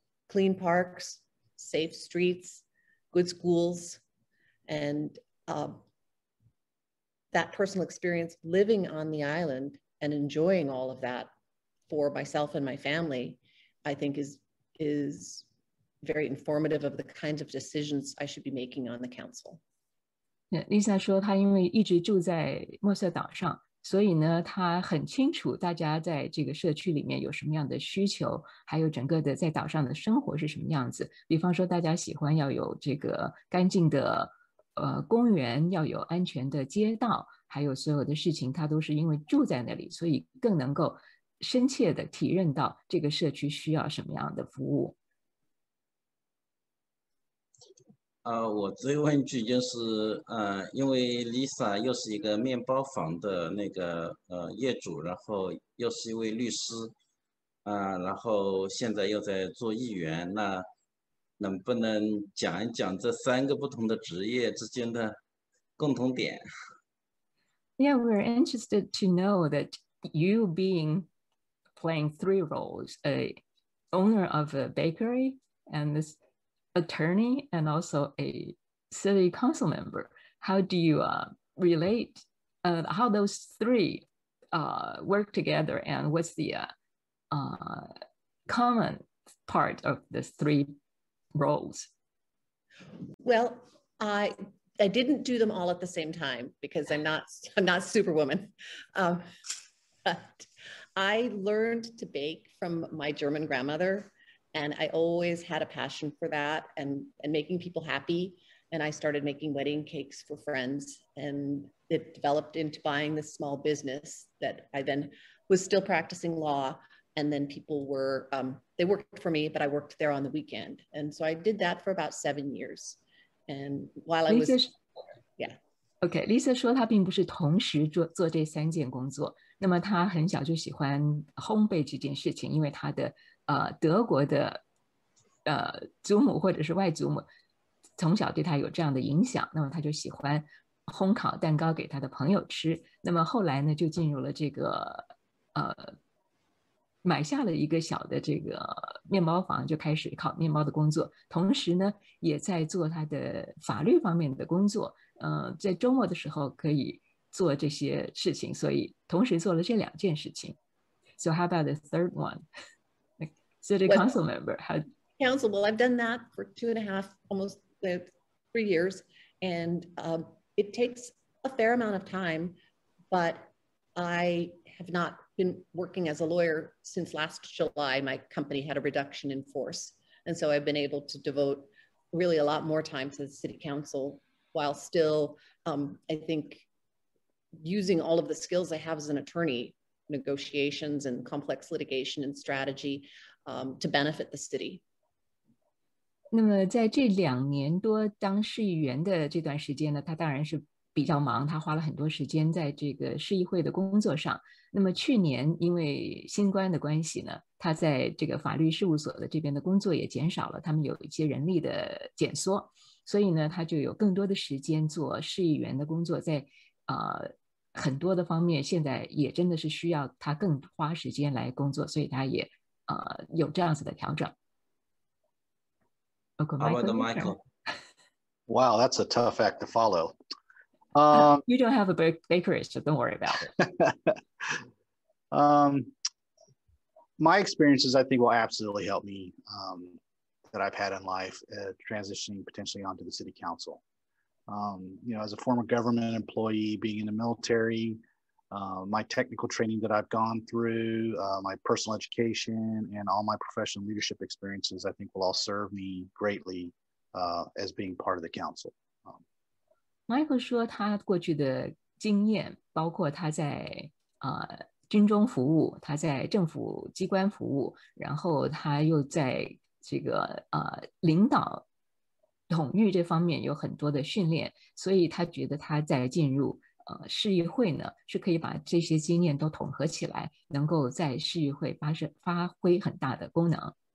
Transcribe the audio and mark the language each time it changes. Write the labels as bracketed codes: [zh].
[en] Clean parks, safe streets, good schools, and that personal experience living on the island and enjoying all of that for myself and my family, I think is very informative of the kinds of decisions I should be making on the council. [zh] Yeah, Lisa 说她因为一直住在墨色岛上，所以呢他很清楚大家在这个社区里面有什么样的需求，还有整个的在岛上的生活是什么样子。比方说大家喜欢要有这个干净的公园，要有安全的街道，还有所有的事情他都是因为住在那里，所以更能够深切的体认到这个社区需要什么样的服务。我追问一句，就是因为 Lisa 又是一个面包房的那个业主，然后又是一位律师，然后现在又在做议员，那能不能讲一讲这三个不同的职业之间的共同点？ [en] Yeah, we're interested to know that you playing three roles, a owner of a bakery and this attorney and also a city council member. How do you relate, how those three work together, and what's the common part of the three roles? Well, I didn't do them all at the same time because I'm not superwoman. But I learned to bake from my German grandmother, and I always had a passion for that and making people happy. And I started making wedding cakes for friends, and it developed into buying this small business that I then was still practicing law. And then people were, they worked for me, but I worked there on the weekend. And so I did that for about 7 years. And while I was, [zh] Okay, Lisa 说她并不是同时做这三件工作，那么她很小就喜欢烘焙这件事情，因为她的德国的祖母或者是外祖母从小对她有这样的影响，那么她就喜欢烘烤蛋糕给她的朋友吃，那么后来呢就进入了这个买下了一个小的这个面包房，就开始烤面包的工作，同时呢也在做她的法律方面的工作，在周末的时候可以做这些事情，所以同时做了这两件事情。 [en] So how about the third one? City council member. Council, well, I've done that for 2.5, almost 3 years, and it takes a fair amount of time, but I have not been working as a lawyer since last July. My company had a reduction in force, and so I've been able to devote really a lot more time to the city council while still, I think, using all of the skills I have as an attorney negotiations and complex litigation and strategy to benefit the city. [zh] 那么在这两年多当市议员的这段时间呢，他当然是比较忙，他花了很多时间在这个市议会的工作上。那么去年因为新冠的关系呢，他在这个法律事务所的这边的工作也减少了，他们有一些人力的减缩，所以呢，他就有更多的时间做市议员的工作，在很多的方面现在也真的是需要他更花时间来工作，所以他也有这样子的调整。 [en] How about Michael? Wow, that's a tough act to follow. You don't have a bakery, so don't worry about it. My experiences, I think, will absolutely help me that I've had in life transitioning potentially onto the city council. You know, as a former government employee, being in the military, my technical training that I've gone through, my personal education, and all my professional leadership experiences, I think will all serve me greatly as being part of the council. [zh] Michael 说他过去的经验包括他在军中服务，他在政府机关服务，然后他又在这个领导统御这方面有很多的训练，所以他觉得他在进入市议会呢是可以把这些经验都统合起来，能够在市议会发挥很大的功能。